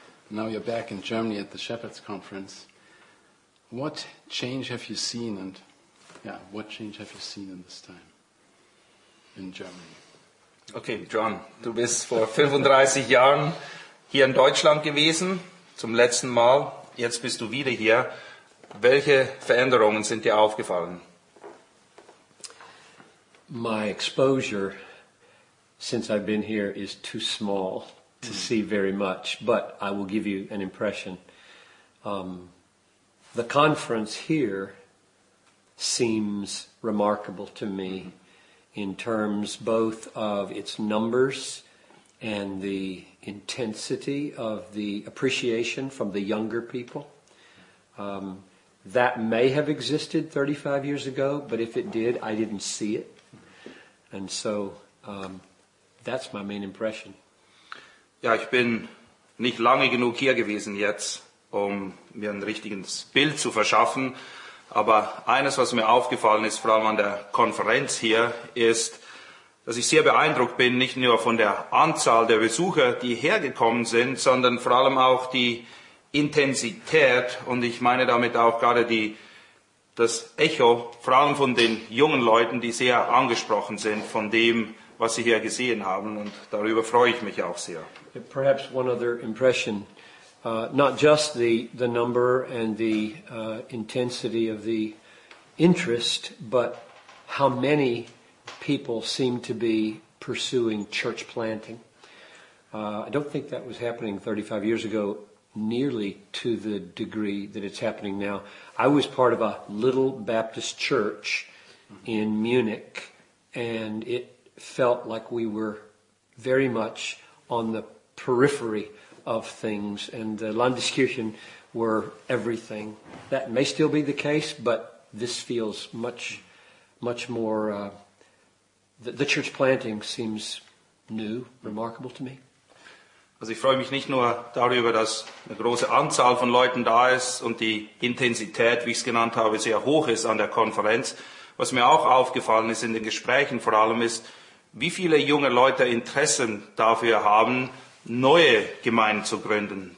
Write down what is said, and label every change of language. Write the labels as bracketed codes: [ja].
[en] Now you're back in Germany at the Shepherd's Conference. What change have you seen, and what change have you seen in this time in Germany? [de] Okay, John, du bist vor 35 Jahren hier in Deutschland gewesen, zum letzten Mal. Jetzt bist du wieder hier. Welche Veränderungen sind dir aufgefallen? [en] My exposure since I've been here is too small to see very much, but I will give you an impression. The conference here seems remarkable to me in terms both of its numbers and the intensity of the appreciation from the younger people. That may have existed 35 years ago, but if it did, I didn't see it. And so that's my main impression. [de] Ja, ich bin nicht lange genug hier gewesen jetzt, um mir ein richtiges Bild zu verschaffen. Aber eines, was mir aufgefallen ist, vor allem an der Konferenz hier, ist, dass ich sehr beeindruckt bin, nicht nur von der Anzahl der Besucher, die hergekommen sind, sondern vor allem auch die Intensität. Und ich meine damit auch gerade das Echo, vor allem von den jungen Leuten, die sehr angesprochen sind von dem, was sie hier gesehen haben, und darüber freue ich mich auch sehr. [en] Perhaps one other impression, not just the number and the intensity of the interest, but how many people seem to be pursuing church planting. I don't think that was happening 35 years ago nearly to the degree that it's happening now. I was part of a little Baptist church in Munich, and it felt like we were very much on the periphery of things, and the Landeskirchen were everything. That may still be the case, but this feels much, much more, the church planting seems new, remarkable to me. [de] Also ich freue mich nicht nur darüber, dass eine große Anzahl von Leuten da ist und die Intensität, wie ich es genannt habe, sehr hoch ist an der Konferenz. Was mir auch aufgefallen ist in den Gesprächen vor allem ist, wie viele junge Leute Interessen dafür haben, neue Gemeinden zu gründen.